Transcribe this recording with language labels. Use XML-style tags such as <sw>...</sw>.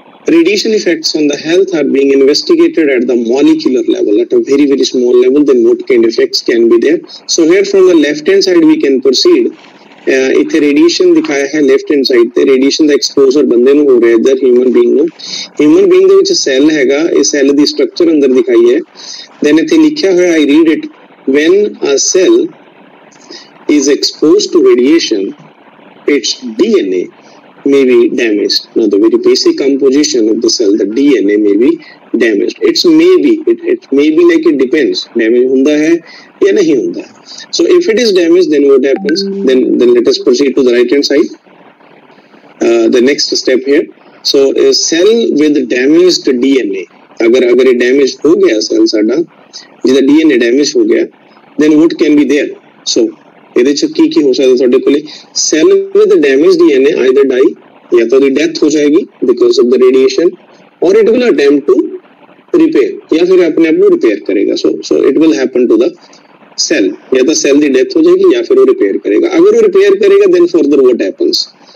<en>Radiation effects on the health are being investigated at the molecular level, at a very very small level, then what kind effects can be there. So here from the left hand side we can proceed.</en> <pa>ਇੱਥੇ radiation ਦਿਖਾਇਆ ਹੈ left hand side ਤੇ, radiation ਦਾ exposure ਬੰਦੇ ਨੂੰ ਹੋ ਰਿਹਾ ਇਧਰ human being ਨੂੰ. ਹਿਊਮਨ ਬੀਇੰਗ ਦੇ ਵਿੱਚ ਸੈੱਲ ਹੈਗਾ, ਇਹ ਸੈੱਲ ਦੀ ਸਟਰਕਚਰ ਅੰਦਰ ਦਿਖਾਈ ਹੈ.</pa> <en>then</en> <pa>ਇੱਥੇ ਲਿਖਿਆ ਹੋਇਆ</pa> <en>I read it, when a cell is exposed to radiation its DNA may be damaged. Now, the very basic composition of the cell, the DNA may be damaged. It may be like it depends. Damage</en> <pa>hunda hai ya nahi hunda.</pa> <en>So, if it is damaged, then what happens? Then let us proceed to the right hand side. The next step here. So, a cell with damaged DNA.</en> <pa>Agar damaged ho gaya</pa> <en>cell sada, jida DNA damaged ho gaya, then what can be there?</en> <pa>So, ਇਹਦੇ ਚ ਕੀ ਹੋ ਸਕਦਾ ਤੁਹਾਡੇ ਕੋਲੇ</pa> <en>cell with damage DNA either die</en> <pa>ਜਾਂ ਤਾਂ ਉਹਦੀ death ਹੋ ਜਾਏਗੀ</pa> <en>because of the radiation or it will attempt to repair</en> <pa>ਜਾਂ ਫਿਰ ਆਪਣੇ ਆਪ ਨੂੰ ਰਿਪੇਅਰ ਕਰੇਗਾ</pa> <en>so it will happen to the cell</en> <pa>ਜਾਂ ਤਾਂ ਸੈਲ ਦੀ ਡੈਥ ਹੋ ਜਾਏਗੀ ਜਾਂ ਫਿਰ ਉਹ ਰਿਪੇਅਰ ਕਰੇਗਾ ਅਗਰ ਉਹ ਰਿਪੇਅਰ ਕਰੇਗਾ</pa> <en>then further what happens</en>